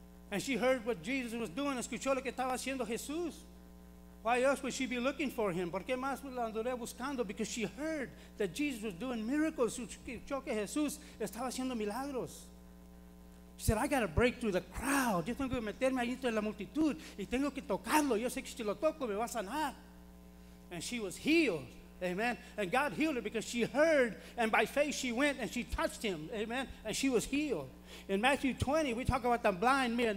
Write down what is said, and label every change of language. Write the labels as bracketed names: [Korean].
[English] And she heard what Jesus was doing. [Spanish] Escuchó lo que estaba haciendo Jesús. [English] Why else would she be looking for him? [Spanish] ¿Por qué más la andaría buscando? [English] Because she heard that Jesus was doing miracles. [Spanish] Escuchó que Jesús estaba haciendo milagros. [English] She said, I got to break through the crowd. [Spanish] Yo tengo que meterme ahí entre la multitud. Y tengo que tocarlo. Yo sé que si lo toco me va a sanar. [English] And she was healed. Amen. And God healed her because she heard, and by faith she went and she touched him. Amen. And she was healed. In Matthew 20, we talk about the blind men.